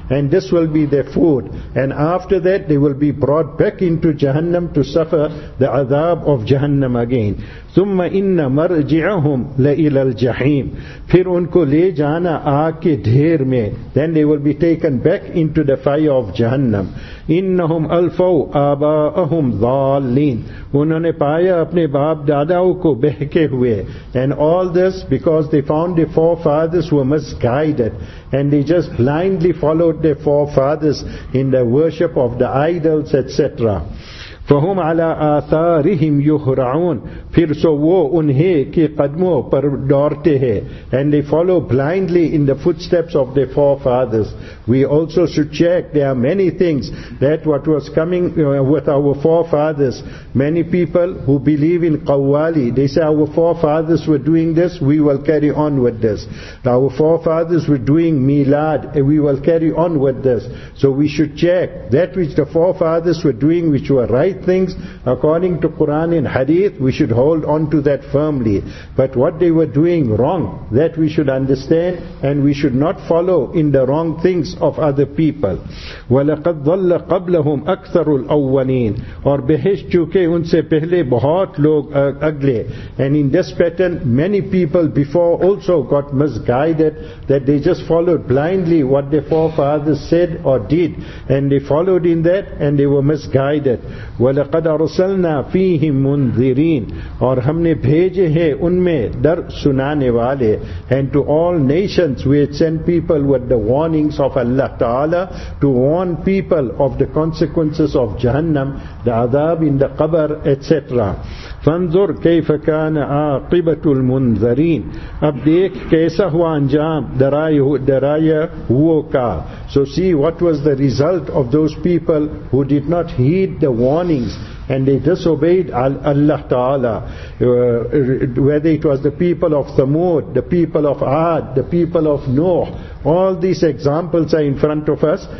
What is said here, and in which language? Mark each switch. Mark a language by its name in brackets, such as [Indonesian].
[English] And this will be their food. And after that, they will be brought back into Jahannam to suffer the adab of Jahannam again. [Arabic] ثُمَّ إِنَّ مَرْجِعَهُمْ لَإِلَى الْجَحِيمِ, [Urdu] پھر ان کو لے جانا آگ کے ڈھیر میں. [English] Then they will be taken back into the fire of Jahannam. [Arabic] إِنَّهُمْ أَلْفَوْا آبَاءَهُمْ ضَالِّينَ, [Urdu] انہوں نے پایا اپنے باپ داداؤں کو بہکے ہوئے. [English] And all this because they found their forefathers were misguided, and they just blindly followed their forefathers in the worship of the idols, etc. [Arabic] فَهُمْ عَلَىٰ آثَارِهِمْ يُحْرَعُونَ, [Urdu] پھر سو وہ انہیں کے قدموں پر دورتے ہیں. [English] And they follow blindly in the footsteps of their forefathers. We also should check, there are many things that what was coming with our forefathers. Many people who believe in Qawwali, they say our forefathers were doing this, we will carry on with this. Our forefathers were doing Milad, we will carry on with this. So we should check that which the forefathers were doing, which were right things according to Quran and Hadith, we should hold on to that firmly. But what they were doing wrong, that we should understand, and we should not follow in the wrong things of other people. [Arabic] وَلَقَدْ ظَلَّ قَبْلَهُمْ أَكْثَرُ الْأَوَّلِينَ, [Urdu] اور بحث چکے ان سے پہلے بہت لوگ اگلے. [English] And in this pattern, many people before also got misguided, that they just followed blindly what their forefathers said or did, and they followed in that, and they were misguided. [Arabic] وَلَقَدْ أَرْسَلْنَا فِيهِمْ مُنذِرِينَ, [Urdu] اور ہم نے بھیجے ہیں ان میں ڈر سنانے والے. [English] And to all nations we had sent people with the warnings of Allah Ta'ala, to warn people of the consequences of Jahannam, the adab in the qabr, etc. [Arabic] فَانْظُرْ كَيْفَ كَانَ عَاقِبَةُ الْمُنذَرِينَ, [Urdu] اب دیکھ کیسا ہوا انجام درائے ہوا کا. [English] So see what was the result of those people who did not heed the warnings, and they disobeyed Allah Ta'ala. Whether it was the people of Thamud, the people of Ad, the people of Noah, all these examples are in front of us.